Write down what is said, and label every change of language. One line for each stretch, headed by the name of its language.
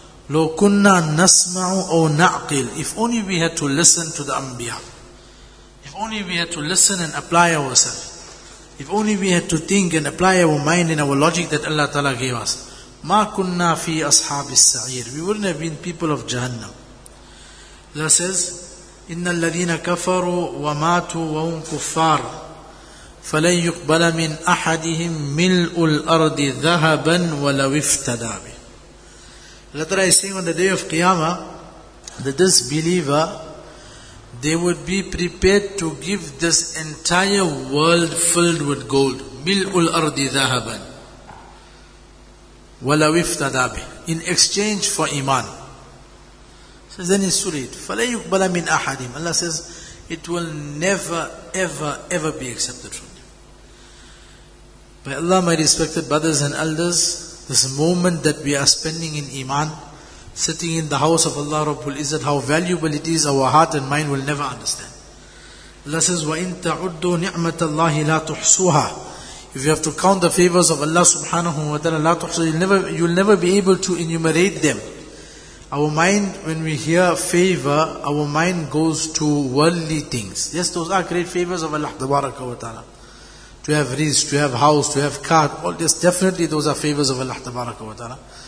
Arabic: لَوْ كُنَّا نَسْمَعُ أَوْ نَعْقِلُ.
English: If only we had to listen to the Anbiya. If only we had to listen and apply ourselves. If only we had to think and apply our mind and our logic that Allah Ta'ala gave us.
Arabic: مَا كُنَّا فِي أَصْحَابِ السَّعِيرِ.
English: We wouldn't have been people of Jahannam. Allah says,
Arabic: إِنَّ الَّذِينَ كَفَرُوا وَمَاتُوا وَهُمْ كُفَّارٌ فَلَنْ يُقْبَلَ مِنْ أَحَدِهِمْ مِلْءُ الْأَرْضِ ذَهَبًا وَلَوْ افْتَدَى بِهِ.
English: Allah Ta'ala is saying on the day of Qiyamah, the disbeliever, they would be prepared to give this entire world filled with gold.
Arabic: مِلْءُ الْأَرْضِ ذَهَبًا وَلَوْ افْتَدَى بِهِ.
English: In exchange for iman. So then in Surah,
Arabic: فَلَا يُقْبَلَ مِنْ أَحَدِهِمْ.
English: Allah says, it will never, ever, ever be accepted from them. By Allah, my respected brothers and elders, this moment that we are spending in iman, sitting in the house of Allah Rabbul Izzat, how valuable it is, our heart and mind will never understand. Allah says,
Arabic: وَإِن تَعُدُّوا نِعْمَةَ اللَّهِ لَا تُحْصُوهَا.
English: If you have to count the favors of Allah subhanahu wa ta'ala,
Arabic: لَا تُحْصُوهَا,
English: you'll never be able to enumerate them. Our mind, when we hear favor, our mind goes to worldly things. Yes, those are great favors of Allah tabaraka wa ta'ala. To have rizq, to have house, to have car, all this, definitely those are favors of Allah tabaraka wa ta'ala.